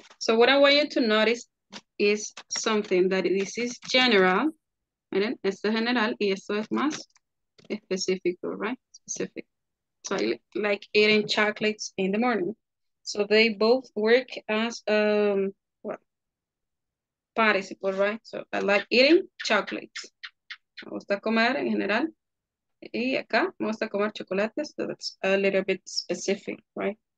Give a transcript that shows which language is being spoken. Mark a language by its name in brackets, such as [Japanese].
[English] So what I want you to notice is something that this is general. [Spanish] Miren, esto es general y esto es más específico, right? [English] Specific. So I like eating chocolates in the morning. So they both work as, participle, right? So I like eating chocolates. [Spanish] Me gusta comer en general. Y acá me gusta comer chocolates, [English] so that's a little bit specific, right?